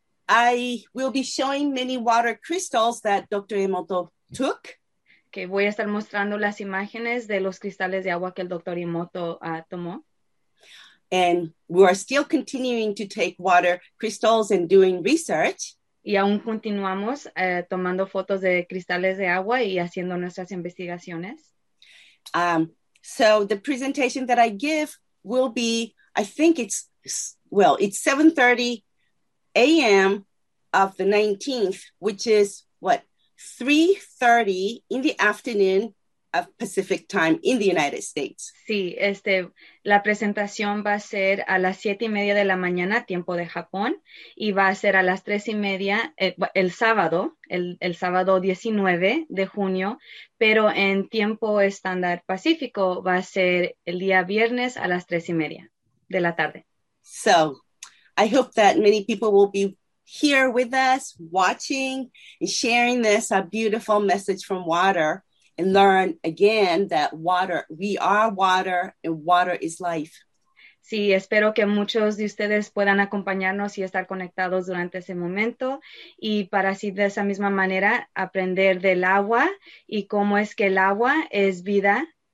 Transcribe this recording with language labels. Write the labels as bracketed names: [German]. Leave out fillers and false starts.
[English] I will be showing many water crystals that Dr. Emoto took. [Spanish] Okay, voy a estar mostrando las imágenes de los cristales de agua que el Dr. Emoto tomó. [English] And we are still continuing to take water crystals and doing research. [Spanish] Y aún continuamos tomando fotos de cristales de agua y haciendo nuestras investigaciones. [English] So the presentation that I give will be, I think it's 7:30 a.m. of the 19th, which is what, 3:30 in the afternoon of Pacific time in the United States. [Spanish] Sí, la presentación va a ser a las 7:30 de la mañana, tiempo de Japón, y va a ser a las 3:30 el sábado 19 de junio, pero en tiempo estándar pacífico va a ser el día viernes a las 3:30 de la tarde. [English] So, I hope that many people will be here with us, watching and sharing this, a beautiful message from water. And learn again that water, we are water, and water is life. [Spanish] Sí, espero que muchos de ustedes puedan acompañarnos y estar conectados durante ese momento. Y para así, de esa misma manera, aprender del agua y cómo es que el agua es vida.